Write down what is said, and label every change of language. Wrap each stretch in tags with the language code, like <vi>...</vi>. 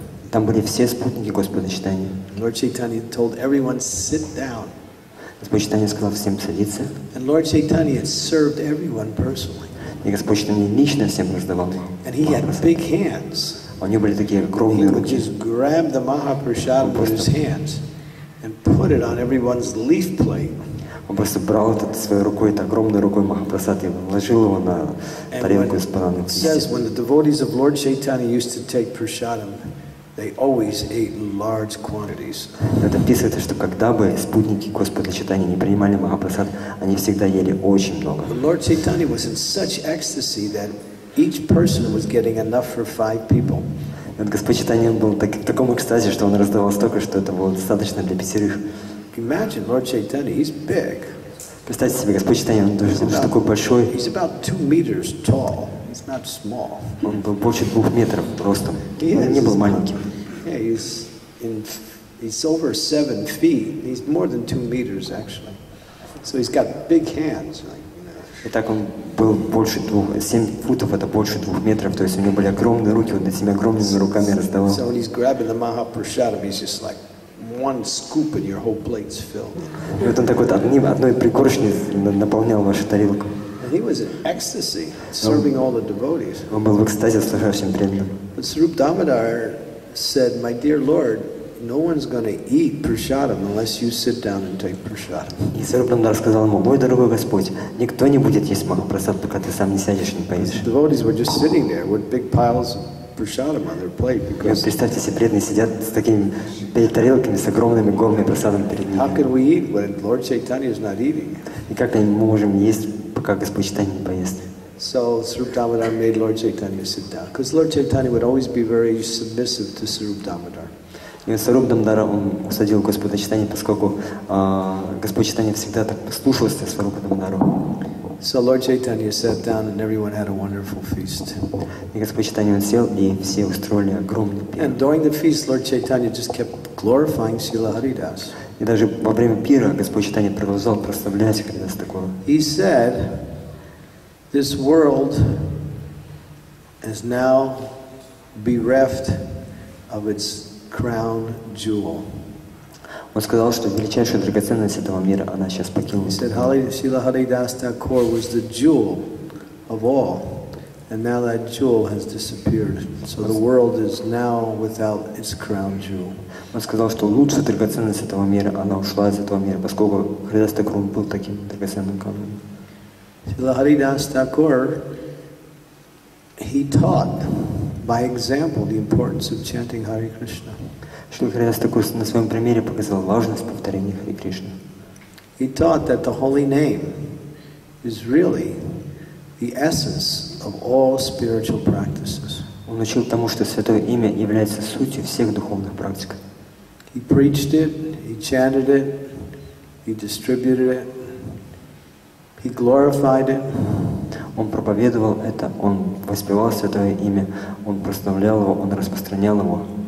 <ru>Там были все спутники Господа Чайтаньи.</ru> <en>Lord Chaitanya told everyone, sit down.</en> <ru>Господь Чайтанья сказал всем садиться.</ru> <en>And Lord Chaitanya served everyone personally.</en> <ru>И Господь Чайтанья лично всем раздавал</ru> <en>And he had big hands.</en> <ru>У него были такие огромные</ru> <en>he</en> <ru>руки.</ru> <en>He just grabbed the Mahaprasad with his hands. And put it on everyone's leaf plate.</en> <ru>Он просто брал этот своей рукой, этой огромной рукой Махапрасад, и вложил его на тарелку из праны.</ru> <en>It says when the devotees of Lord Chaitanya used to take prasadam, they always ate large quantities.</en> <ru>Это описывается, что когда бы спутники Господа Чайтаньи не принимали Махапрасад, они всегда ели очень много.</ru> <en>But Lord Chaitanya was in such ecstasy that each person was getting enough for five people.</en> <ru>Вот Господь Чайтанья был в таком экстазе, что он раздавал столько, что это было достаточно для пятерых.</ru> <en>Imagine Lord Chaitanya, he's big.</en> <ru>Представьте себе, Господь Чайтанья, он тоже такой большой.</ru> <en>He's about 2 meters tall. He's not small.</en> <ru>Он был больше 2 метров ростом. Он не был маленьким.</ru> <en>Yeah, he's over 7 feet. He's more than 2 meters actually. So he's got big hands.</en> <ru>Итак, он был больше 7 футов, это больше 2 метров, то есть у него были огромные руки, он этими огромными руками раздавал.</ru> <en>So when he's grabbing the Mahaprasadam, he's just like one scoop and your whole plate's filled.</en> <ru>И вот он такой вот одной пригоршней наполнял вашу тарелку.</ru> <en>And he was in ecstasy, serving all the devotees.</en> <ru>Он был в экстазе, служа всем преданным.</ru> <en>But Sarup Damodar said, my dear Lord, no one's going to eat prasadam unless you sit down and take prasadam.</en> <ru>И Сарупа Дамодар сказал ему, мой дорогой Господь, никто не будет есть махапрасад, пока ты сам не сядешь и не поедешь.</ru> <en>The devotees were just sitting there with big piles of prasadam on their plate.</en> <ru>И вот представьте себе, преданные сидят с такими тарелками, с огромными горами прасадом перед ними.</ru> <en>How can we eat when Lord Chaitanya is not eating?</en> <ru>И как мы можем есть, пока Господь Чайтанья не поест?</ru> <en>So Sarup Damodar made Lord Chaitanya sit down. Because Lord Chaitanya would always be very submissive to Sarup Damodar.</en> <ru>И Саруп Дамодара он усадил Господа Чайтанья, поскольку Господь Чайтанья всегда так послушался Сарупа Дамодару.</ru> <en>So Lord Chaitanya sat down and everyone had a wonderful feast.</en> <ru>И Господь Чайтанья он сел и все устроили огромный пир.</ru> <en>And during the feast, Lord Chaitanya just kept glorifying Srila Haridas.</en> <ru>И даже во время пира Господь Чайтанья продолжал прославлять Харидас такого.</ru> <en>He said, "This world has now bereft of its crown jewel."</en> <ru>Он сказал, что величайшая драгоценность этого мира, она сейчас покинула.</ru> <en>He said, "Srila Haridas Thakur was the jewel of all, and now that jewel has disappeared. So the world is now without its crown jewel."</en> <ru>Он сказал, что лучшая драгоценность этого мира, она ушла из этого мира, поскольку Харидас Такур был таким драгоценным камнем.</ru> <en>Srila Haridas Thakur, he taught by example the importance of chanting Hare Krishna.</en> <ru>Шрила Харидас Такур на своем примере показал важность повторения Хари Кришна.</ru> <en>He taught that the holy name is really the essence of all spiritual practices.</en> <ru>Он учил тому, что святое имя является сутью всех духовных практик.</ru> <en>He preached it, he chanted it, he distributed it, he glorified it.</en> <ru>Он проповедовал это, он воспевал святое имя, он прославлял его, он распространял его.</ru>